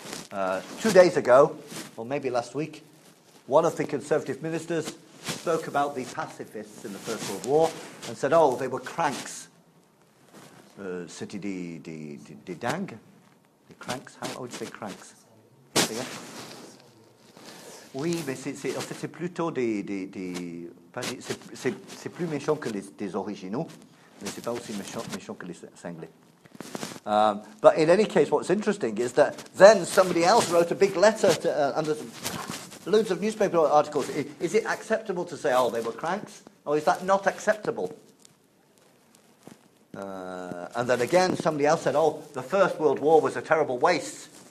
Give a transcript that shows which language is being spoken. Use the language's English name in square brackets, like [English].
[English] 2 days ago, or maybe last week, one of the Conservative ministers spoke about the pacifists in the First World War and said, oh, they were cranks. City-de-dang? The cranks? How would you say cranks? [French] Oui, mais c'est plutôt des... C'est plus méchant que les originaux, mais c'est pas aussi méchant que les cinglés. [English] But in any case, what's interesting is that then somebody else wrote a big letter to, and there's loads of newspaper articles. Is it acceptable to say, oh, they were cranks? Or is that not acceptable? And then again, somebody else said, oh, the First World War was a terrible waste.